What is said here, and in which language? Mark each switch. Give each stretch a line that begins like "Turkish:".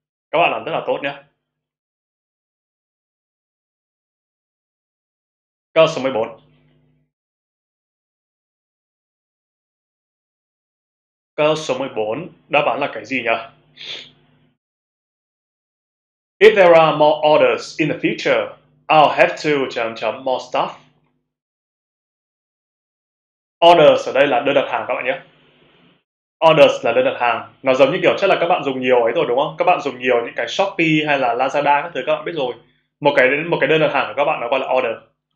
Vietnamese: Các bạn làm rất là tốt nhé. Câu số 14. Câu số 14 đáp án là cái gì nhỉ?
English: If there are more orders in the future, I'll have to more staff.
Vietnamese: Orders ở đây là đơn đặt hàng các bạn nhé. Orders là đơn đặt hàng. Nó giống như kiểu chắc là các bạn dùng nhiều ấy rồi đúng không? Các bạn dùng nhiều những cái Shopee hay là Lazada các thứ các bạn biết rồi. Một cái đơn đặt hàng của các bạn nó gọi là order.